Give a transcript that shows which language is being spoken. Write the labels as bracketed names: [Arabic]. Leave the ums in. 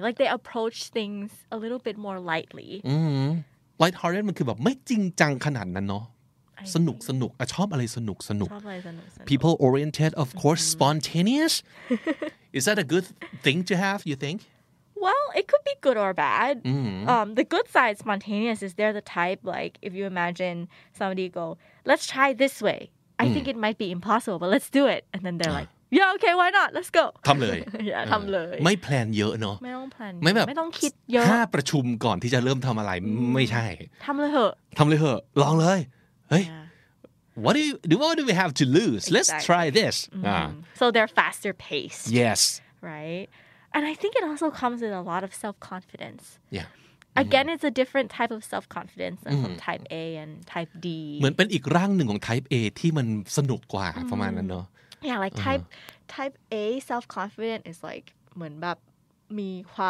[English] Like they approach things a little bit more lightly. [Thai] Mm-hmm [English] light hearted [Thai] มันคือแบบไม่จริงจังขนาดนั้นเนาะสนุกสนุกชอบอะไรสนุกสนุก [English] people oriented of course spontaneous is that a good thing to have you think well it could be good or bad mm-hmm. um, the good side spontaneous is they're the type like if you imagine somebody go let's try this way i mm. think it might be impossible but let's do it and then they're uh. -huh. [Thai] like ยาโอเค [English] why not let's go [Thai] ทำเลย อย่าทำเลย ไม่ แพลนเยอะเนาะ ไม่ต้องแพลน ไม่แบบ ไม่ต้องคิดเยอะ ห้า ประชุมก่อนที่จะเริ่มทำอะไรไม่ใช่ ทำเลยเหอะ ทำเลยเหอะลองเลย เฮ้ย [English] what do y o what do we have to lose l e t s try this [Thai] m m [English] so they're faster paced yes right and I think it also comes with a lot of self confidence yeah Again, it's a different type of self confidence from type A and type D. [Thai] เหมือนเป็นอีก ร่างหนึ่งของ type A ที่มันสนุกกว่าประมาณนั้นเนาะ [English] yeah like type uh -huh. type a self confident is like when bab me